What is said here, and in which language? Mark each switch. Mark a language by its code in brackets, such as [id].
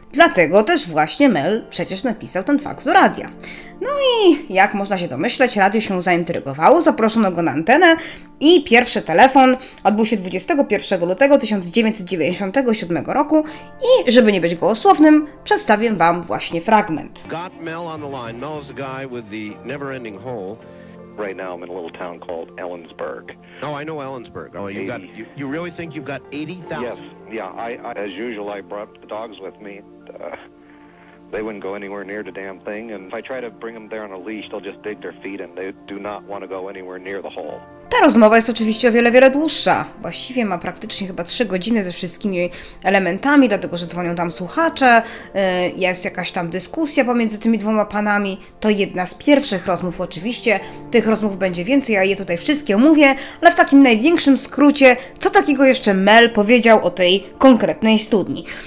[pl] Dlatego też właśnie Mel przecież napisał ten fax do radia. No i jak można się domyśleć, radio się zaintrygowało, zaproszono go na antenę i pierwszy telefon odbył się 21 lutego 1997 roku i żeby nie być gołosłownym, przedstawię wam właśnie fragment. [en] Got Mel on the line. Mel is the guy with the never ending hole. Right now I'm in a little town called Ellensburg. No, I know Ellensburg. Oh, you really think you've got 80,000? Yes. Yeah, I as usual I brought the dogs with me. They wouldn't go anywhere near the damn thing, and if I try to bring them there on a leash, they'll just dig their feet and they do not want to go anywhere near the hole. [pl] Ta rozmowa jest oczywiście o wiele, wiele dłuższa. Właściwie ma praktycznie chyba 3 godziny ze wszystkimi elementami, dlatego że dzwonią tam słuchacze, jest jakaś tam dyskusja pomiędzy tymi dwoma panami. To jedna z pierwszych rozmów oczywiście. Tych rozmów będzie więcej, ja je tutaj wszystkie omówię, ale w takim największym skrócie, co takiego jeszcze Mel powiedział o tej konkretnej studni?